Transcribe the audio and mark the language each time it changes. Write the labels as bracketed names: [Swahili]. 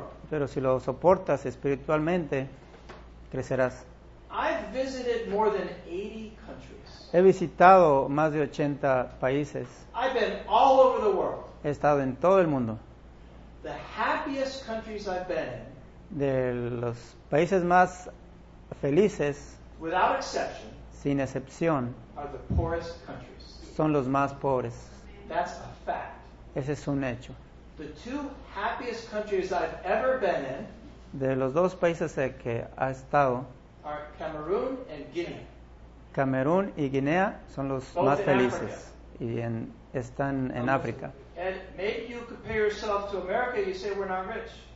[Spanish] pero si lo soportas espiritualmente, crecerás. [English] I've visited more than 80 countries. [Spanish] He visitado más de 80 países. [English] I've been all over the world. [Spanish] He estado en todo el mundo. [English] The happiest countries I've been in, [Spanish] de los países más felices, [English] without exception, [Spanish] sin excepción, [English] are the poorest countries. [Spanish] Son los más pobres. [English] That's a fact. [Spanish] Ese es un hecho. [English] The two happiest countries I've ever been in, [Spanish] de los dos países que ha estado, [English] are Cameroon and Guinea. [Spanish] Camerún y Guinea son los [English] both [Spanish] más felices [English] Africa. [Spanish] Y están en África. [English] And maybe you compare yourself to America, you say we're not rich.